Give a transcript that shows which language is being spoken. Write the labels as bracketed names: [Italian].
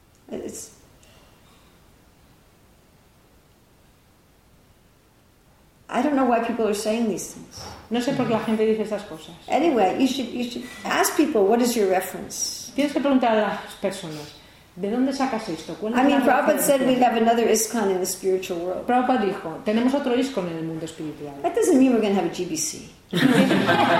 [English] It's I don't know why people are saying these things. [Spanish] No sé por qué la gente dice esas cosas. [English] Anyway, you should ask people, what is your reference? [Spanish] Tienes que preguntar a las personas, ¿de dónde sacas esto? ¿Cuál es [English] I mean, Prabhupada said we have another ISKCON in the spiritual world. [Spanish] Prabhupada dijo, tenemos otro ISKCON en el mundo espiritual. [English] That doesn't mean we're going to have a GBC.